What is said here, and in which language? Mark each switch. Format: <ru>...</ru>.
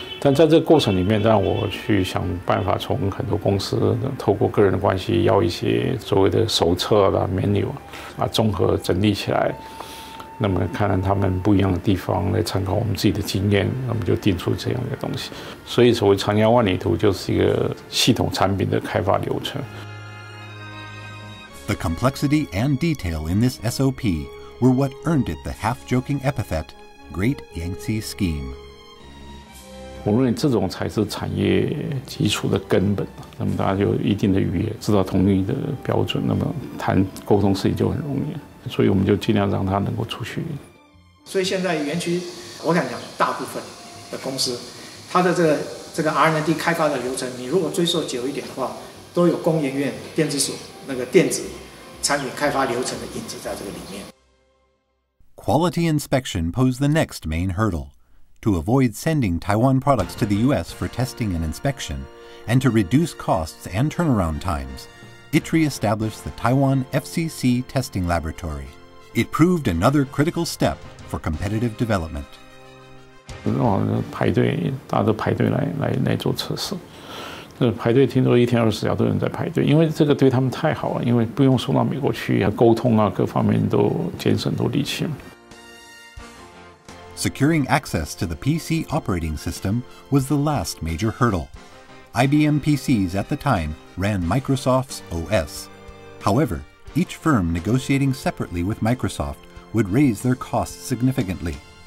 <zh>但在这个过程里面，让我去想办法从很多公司透过个人的关系要一些所谓的手册啦、menu 啊，综合整理起来，那么看看他们不一样的地方，来参考我们自己的经验，那么就定出这样的东西。所以所谓长江万里图就是一个系统产品的开发流程。</zh> <en>The complexity and detail in this SOP. were what earned it the half-joking epithet, Great Yangtze Scheme.</en> <zh>我认为这种才是产业基础的根本。那么大家有一定的语言，知道同一的标准，那么谈沟通事情就很容易。所以我们就尽量让它能够出去。所以现在园区，我敢讲，大部分的公司，它的这个 R&D 开发的流程，你如果追溯久一点的话，都有工研院电子所那个电子产品开发流程的影子在这个里面。</zh> <en>Quality inspection posed the next main hurdle. To avoid sending Taiwan products to the U.S. for testing and inspection, and to reduce costs and turnaround times, ITRI established the Taiwan FCC Testing Laboratory. It proved another critical step for competitive development.</en> <zh>排队，大家都排队来做测试。排队听说一天24小时都有人在排队，因为这个对他们太好了，因为不用送到美国去，沟通啊，各方面都节省很多力气。</zh> <en>Securing access to the PC operating system was the last major hurdle. IBM PCs at the time ran Microsoft's OS. However, each firm negotiating separately with Microsoft would raise their costs significantly.</en>